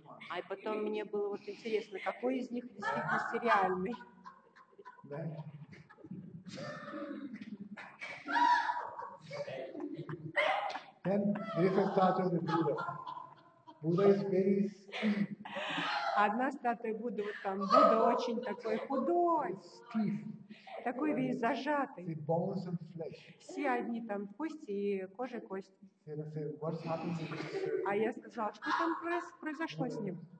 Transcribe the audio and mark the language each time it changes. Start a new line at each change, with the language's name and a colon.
Russian: А потом мне было вот интересно, какой из них действительно реальный?
English: Then there is a statue of the Buddha. Buddha is very skinny.
Russian: Одна статуя Будды, вот там Будда очень такой худой.
English: Stiff.
Russian: такой весь зажатый.
English: See, bones and flesh.
Russian: Все одни там кости и кожа и кости.
English: See, see, what's happened to this?
Russian: А я сказала, что там произошло с ним?